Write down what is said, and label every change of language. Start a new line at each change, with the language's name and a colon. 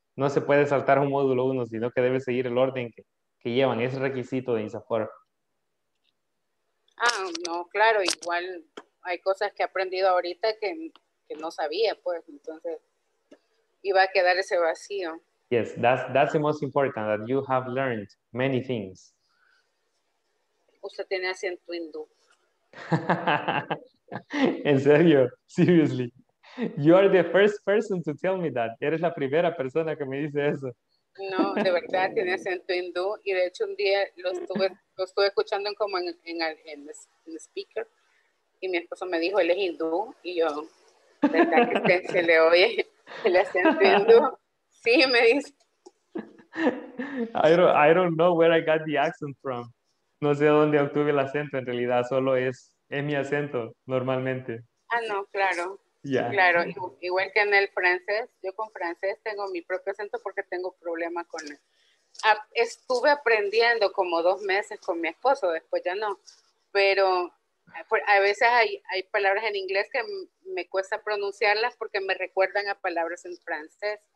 Spanish: No se puede saltar un módulo uno, sino que debe seguir el orden que llevan, es requisito de INSAFOR. Ah, no, claro, igual hay cosas que he aprendido ahorita que no sabía, pues, entonces iba a quedar ese vacío.
English: Yes, that's the most important, that you have learned many things.
Spanish: Usted tiene acento hindú. En serio,
English: seriously. You are the first person to tell me that.
Spanish: Eres la primera persona que me dice eso. No, de verdad tiene acento hindú y de hecho un día lo estuve escuchando como en el speaker y mi esposo me dijo, él es hindú y yo, ¿verdad que se le oye el acento hindú? Sí, me dice.
English: I don't know where I got the accent from.
Spanish: No sé dónde obtuve el acento, en realidad solo es mi acento normalmente. Ah, no, claro.
English: Yeah.
Spanish: Claro, igual que en el francés, yo con francés tengo mi propio acento porque tengo problema con él. Estuve aprendiendo como 2 meses con mi esposo, después ya no, pero a veces hay palabras en inglés que me cuesta pronunciarlas porque me recuerdan a palabras en francés.